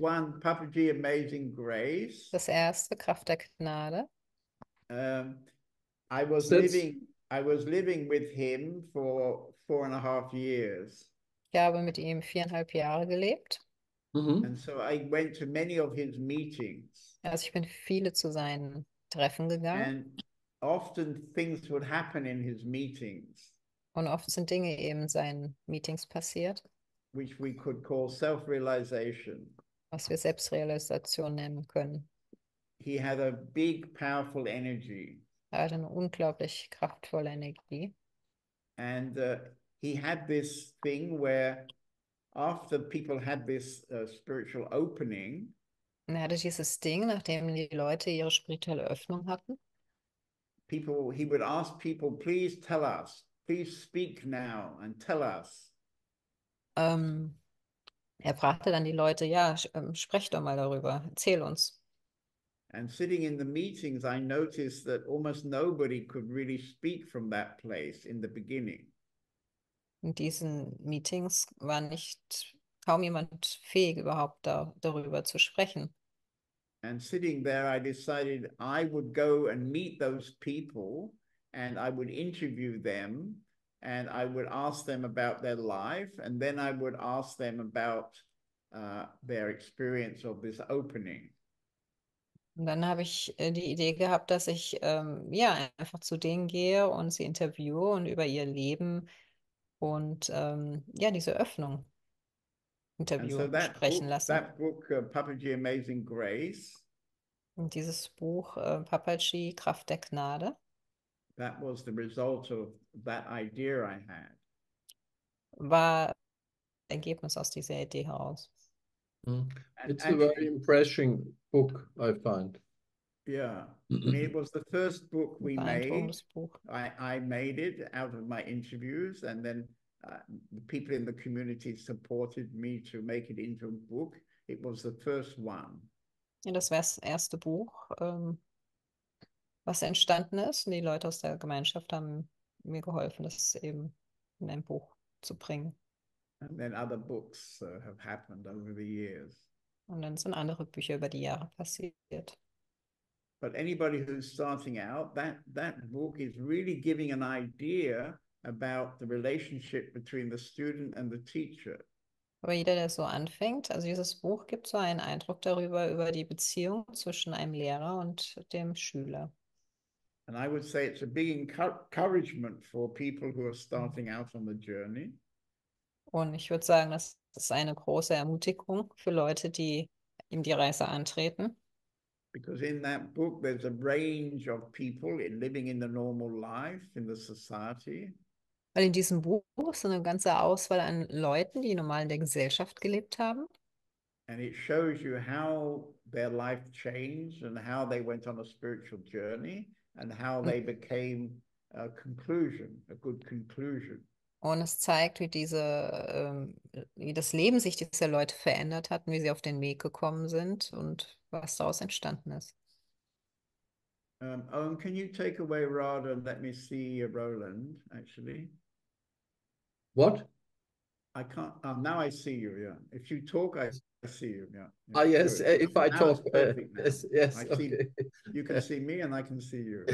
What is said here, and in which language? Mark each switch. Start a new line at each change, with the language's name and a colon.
English: one, Papaji, Amazing Grace.
German: Das erste, Kraft der Gnade.
English: I was living with him for 4.5 years.
German: Ich habe mit ihm 4,5 Jahre gelebt.
English: And so I went to many of his meetings.
German: Also ich bin viele zu seinen Treffen gegangen.
English: And often things would happen in his meetings,
German: Und oft sind Dinge eben in seinen Meetings passiert,
English: which we could call self-realization.
German: was wir Selbstrealisation nennen können.
English: He had a big, powerful energy.
German: Er hat eine unglaublich kraftvolle Energie.
English: And he had this thing where after people had this spiritual opening,
German: Er hatte dieses Ding, nachdem die Leute ihre spirituelle Öffnung hatten.
English: he would ask people, please tell us, please speak now and tell us.
German: Er fragte dann die Leute, ja, sprecht doch mal darüber, erzähl uns.
English: And sitting in the meetings, I noticed that almost nobody could really speak from that place in the beginning.
German: In diesen Meetings war nicht kaum jemand fähig, überhaupt darüber zu sprechen.
English: And sitting there, I decided I would go and meet those people and I would interview them and I would ask them about their life and then I would ask them about their experience of this opening.
German: Und dann habe ich die Idee gehabt, dass ich ja einfach zu denen gehe und sie interviewe und über ihr Leben und ja diese Öffnung
English: And so
German: interviewe sprechen lassen.
English: that book, Papaji Amazing Grace,
German: Und dieses Buch Papaji, Kraft der Gnade,
English: that was the result of that idea I had.
German: war Ergebnis aus dieser Idee heraus.
English: It's a very Actually, impressive book, I find. yeah, I mean, it was the first book we made.
German: Beeindruckendes Buch.
English: I made it out of my interviews and then the people in the community supported me to make it into a book. It was the first one.
German: Ja, das wäre das erste Buch, was entstanden ist. Und die Leute aus der Gemeinschaft haben mir geholfen, das eben in ein Buch zu bringen.
English: And then other books have happened over the years.
German: Und dann sind andere Bücher über die Jahre passiert.
English: But anybody who's starting out, that book is really giving an idea about the relationship between the student and the teacher.
German: Aber jeder, der so anfängt, also dieses Buch gibt so einen Eindruck darüber, über die Beziehung zwischen einem Lehrer und dem Schüler.
English: And I would say it's a big encouragement for people who are starting out on the journey.
German: Und ich würde sagen, das Das ist eine große Ermutigung für Leute, die ihm die Reise antreten.
English: Because in that book there's a range of people in living in the normal life in the society.
German: Weil in diesem Buch ist eine ganze Auswahl an Leuten, die normal in der Gesellschaft gelebt haben.
English: And it shows you how their life changed and how they went on a spiritual journey and how they became a conclusion, a good conclusion.
German: Und es zeigt, wie wie das Leben sich dieser Leute verändert hat, wie sie auf den Weg gekommen sind und was daraus entstanden ist.
English: Oh, can you take away Rada and let me see Roland, actually? What? I can't. Now I see you. Yeah. If you talk, I see you. Yeah. Ah, Yeah. yes, Good. if I Now it's talk, perfect. Now I yes, see. okay. You can see me, and I can see you.